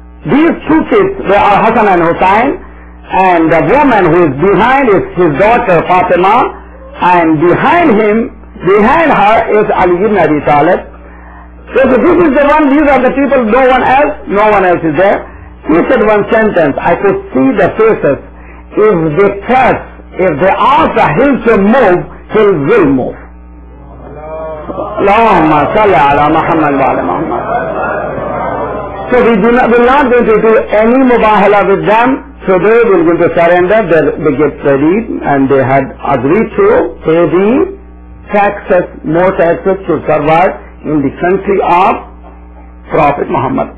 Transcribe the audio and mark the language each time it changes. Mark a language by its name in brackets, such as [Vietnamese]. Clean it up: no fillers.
[English] These two kids, they are Hassan and Hussain, and the woman who is behind is his daughter Fatima, and behind her is Ali ibn Abi Talib. So this is the one, these are the people, no one else is there. He said one sentence, I could see the faces. If they press, if they ask him to move, he will move. [Arabic] اللهم صل على محمد وعلى محمد. [English] So we do not, we're not going to do any mubahala with them. So they were going to surrender, they get ready, and they had agreed to pay the taxes, more taxes to survive in the country of Prophet Muhammad.